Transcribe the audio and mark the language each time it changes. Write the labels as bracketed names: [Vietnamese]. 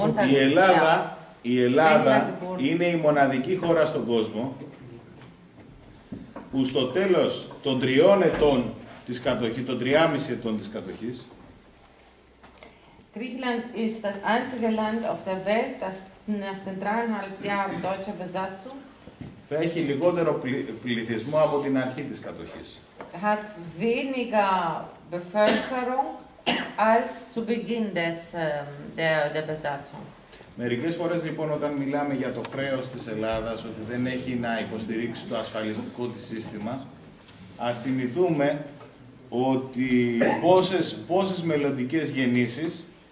[Greek] Η Ελλάδα, yeah. Η Ελλάδα είναι η μοναδική χώρα στον κόσμο που στο τέλος των τριών ετών της κατοχής, των 3,5 ετών της κατοχής. [German] Griechenland ist das einzige Land auf der Welt, das nach den 3,5 Jahren deutscher Besatzung [Greek] θα έχει λιγότερο πληθυσμό από την αρχή της κατοχής. [German] Hat weniger Bevölkerung als zu Beginn der Besatzung. [Greek] Μερικές φορές λοιπόν όταν μιλάμε για το χρέος της Ελλάδας, ότι δεν έχει να υποστηρίξει το ασφαλιστικό της σύστημα, ας θυμηθούμε ότι πόσες μελλοντικές γεννήσεις